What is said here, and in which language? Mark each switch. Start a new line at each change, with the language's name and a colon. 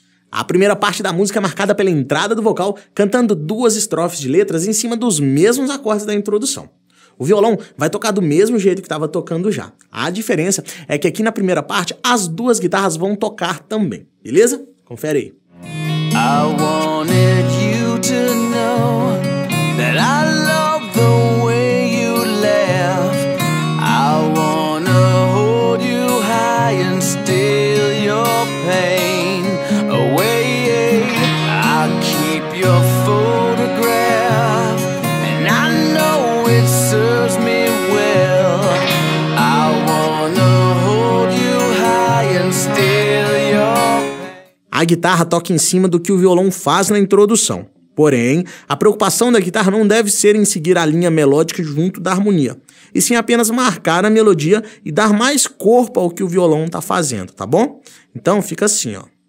Portuguese: A primeira parte da música é marcada pela entrada do vocal, cantando duas estrofes de letras em cima dos mesmos acordes da introdução. O violão vai tocar do mesmo jeito que estava tocando já. A diferença é que aqui na primeira parte, as duas guitarras vão tocar também. Beleza? Confere aí.
English: I wanted you to know that I love the way you laugh. I wanna hold you high and steal your pain away. I keep your photograph and I know it serves me well. I wanna hold you high and steal your pain.
Portuguese: A guitarra toca em cima do que o violão faz na introdução. Porém, a preocupação da guitarra não deve ser em seguir a linha melódica junto da harmonia, e sim apenas marcar a melodia e dar mais corpo ao que o violão tá fazendo, tá bom? Então fica assim, ó.